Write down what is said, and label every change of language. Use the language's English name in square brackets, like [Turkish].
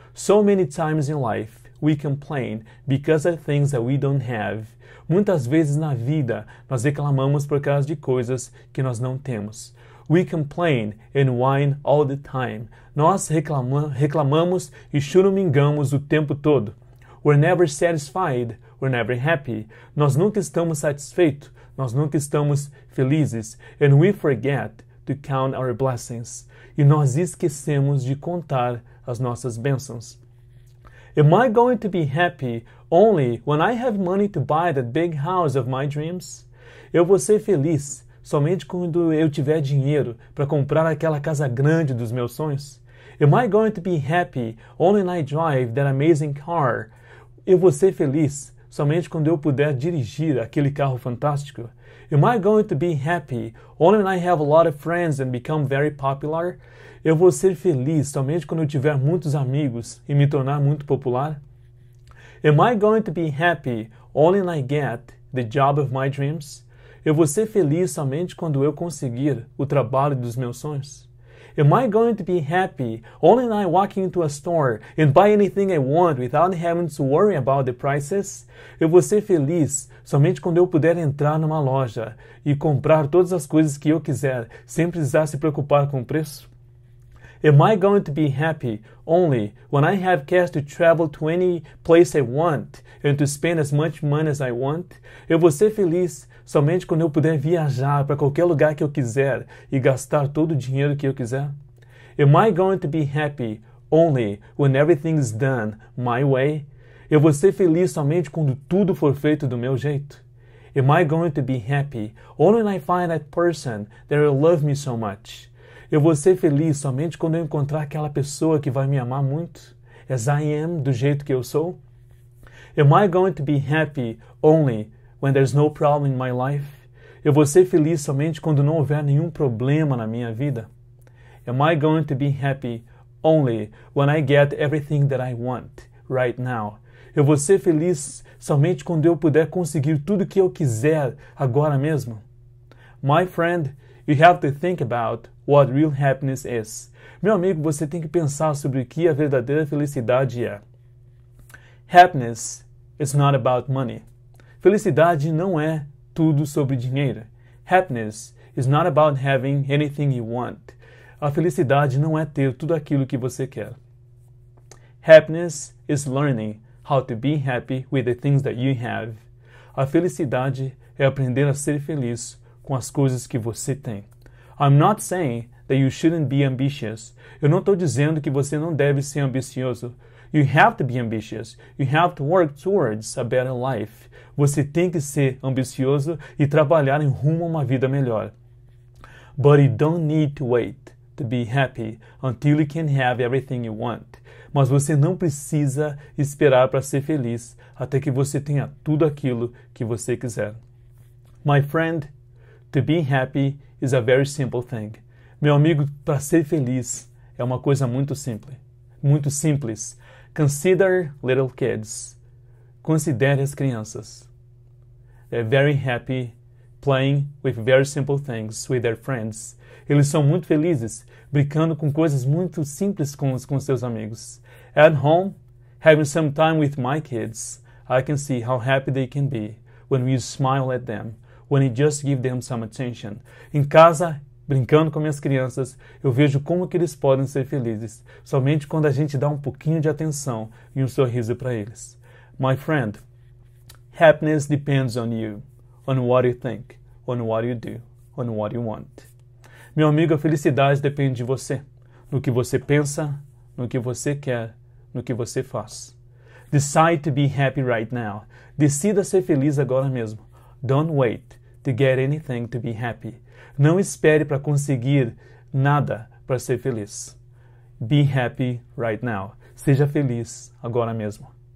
[English] So many times in life, we complain because of things that we don't have. [Portuguese] Muitas vezes na vida, nós reclamamos por causa de coisas que nós não temos. [English] We complain and whine all the time. [Portuguese] Nós reclamamos e choramingamos o tempo todo. [English] We're never satisfied, we're never happy. [Portuguese] Nós nunca estamos satisfeitos, nós nunca estamos felizes. [English] And we forget to count our blessings. [Portuguese] E nós esquecemos de contar as nossas bênçãos. [English] Am I going to be happy only when I have money to buy that big house of my dreams? [Portuguese] Eu vou ser feliz somente quando eu tiver dinheiro para comprar aquela casa grande dos meus sonhos? [English] Am I going to be happy only when I drive that amazing car? [Portuguese] Eu vou ser feliz somente quando eu puder dirigir aquele carro fantástico? [English] Am I going to be happy only when I have a lot of friends and become very popular? [Portuguese] Eu vou ser feliz somente quando eu tiver muitos amigos e me tornar muito popular? [English] Am I going to be happy only when I get the job of my dreams? [Portuguese] Eu vou ser feliz somente quando eu conseguir o trabalho dos meus sonhos? [English] Am I going to be happy only when I walk into a store and buy anything I want without having to worry about the prices? [Portuguese] Eu vou ser feliz somente quando eu puder entrar numa loja e comprar todas as coisas que eu quiser sem precisar se preocupar com o preço? [English] Am I going to be happy only when I have cash to travel to any place I want and to spend as much money as I want? [Portuguese] Eu vou ser feliz somente quando eu puder viajar para qualquer lugar que eu quiser e gastar todo o dinheiro que eu quiser? [English] Am I going to be happy only when everything is done my way? [Portuguese] Eu vou ser feliz somente quando tudo for feito do meu jeito? [English] Am I going to be happy only when I find that person that will love me so much? [Portuguese] Eu vou ser feliz somente quando eu encontrar aquela pessoa que vai me amar muito? [English] As I am, [Portuguese] do jeito que eu sou? [English] Am I going to be happy only when there's no problem in my life? [Portuguese] Eu vou ser feliz somente quando não houver nenhum problema na minha vida? [English] Am I going to be happy only when I get everything that I want right now? [Portuguese] Eu vou ser feliz somente quando eu puder conseguir tudo que eu quiser agora mesmo? [English] My friend, you have to think about what real happiness is. [Portuguese] Meu amigo, você tem que pensar sobre o que a verdadeira felicidade é. [English] Happiness is not about money. [Portuguese] Felicidade não é tudo sobre dinheiro. [English] Happiness is not about having anything you want. [Portuguese] A felicidade não é ter tudo aquilo que você quer. [English] Happiness is learning how to be happy with the things that you have. [Portuguese] A felicidade é aprender a ser feliz com as coisas que você tem. [English] I'm not saying that you shouldn't be ambitious. [Portuguese] Eu não estou dizendo que você não deve ser ambicioso. [English] You have to be ambitious. You have to work towards a better life. [Portuguese] Você tem que ser ambicioso e trabalhar em rumo a uma vida melhor. [English] But you don't need to wait to be happy until you can have everything you want. [Portuguese] Mas você não precisa esperar para ser feliz até que você tenha tudo aquilo que você quiser. [English] My friend, to be happy is a very simple thing. [Portuguese] Meu amigo, para ser feliz é uma coisa muito simples. Muito simples. [English] Consider little kids. [Portuguese] Considere as crianças. [English] They're very happy playing with very simple things with their friends. [Portuguese] Eles são muito felizes brincando com coisas muito simples com seus amigos. [English] At home, having some time with my kids, I can see how happy they can be when we smile at them, when you just give them some attention. [Portuguese] Em casa, brincando com minhas crianças, eu vejo como que eles podem ser felizes, somente quando a gente dá um pouquinho de atenção e um sorriso para eles. [English] My friend, happiness depends on you, on what you think, on what you do, on what you want. [Portuguese] Meu amigo, a felicidade depende de você, no que você pensa, no que você quer, no que você faz. [English] Decide to be happy right now. [Portuguese] Decida ser feliz agora mesmo. [English] Don't wait to get anything to be happy. [Portuguese] Não espere para conseguir nada para ser feliz. [English] Be happy right now. [Portuguese] Seja feliz agora mesmo.